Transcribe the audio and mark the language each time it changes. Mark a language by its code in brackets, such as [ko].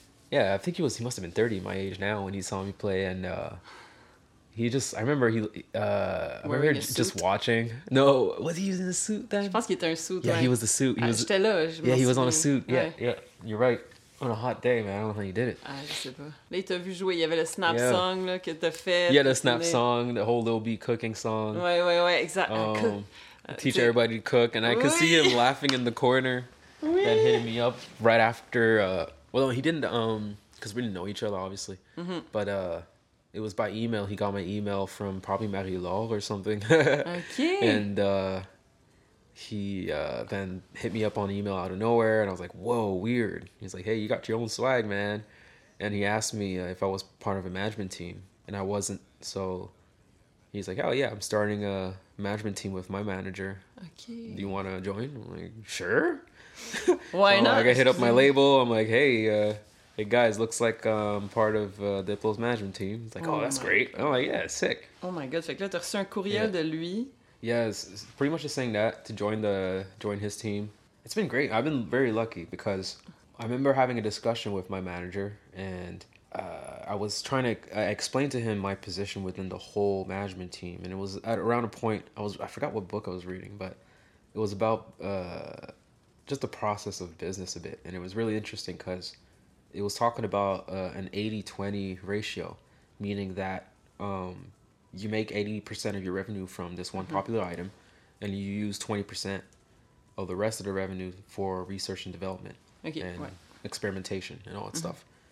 [en] Yeah, I think he must have been 30 my age now when he saw me play. And just watching. No, was he using a suit then? [fr] Je pense qu'il était un suit. [en] Yeah, he was the suit. [fr] J'étais là, je [en] Yeah, he was on a suit. Yeah, yeah. You're right. On a hot day, man. I don't know how you did it. [fr] Ah, je sais pas. Là, il t'a vu jouer. Il y avait le snap song là, que t'as fait. [en] Yeah, the snap song, the whole Lil B cooking song. [fr] Ouais, ouais, ouais, exact. [en] Teach everybody to cook. And I could see him laughing in the corner and hitting me up right after. He didn't, because we didn't know each other, obviously. Mm-hmm. But it was by email. He got my email from probably Marie-Laure or something. Okay. And he then hit me up on email out of nowhere. And I was like, whoa, weird. He's like, hey, you got your own swag, man. And he asked me if I was part of a management team. And I wasn't. So he's like, oh, yeah, I'm starting a management team with my manager. Okay. Do you want to join? I'm like, sure. Why not? I hit up my label. I'm like, hey, guys, looks like I'm part of Diplo's management team. It's like, that's great. God. I'm like, yeah, sick. Oh, my God. [fr] Fait que là, t'as reçu un courriel de lui. [en] Yeah, it's pretty much just saying that, to join his team. It's been great. I've been very lucky because I remember having a discussion with my manager, and I was trying to explain to him my position within the whole management team. And it was at around a point, I forgot what book I was reading, but it was about just the process of business a bit. And it was really interesting because it was talking about an 80-20 ratio, meaning that you make 80% of your revenue from this one popular item, and you use 20% of the rest of the revenue for research and development experimentation and all that stuff.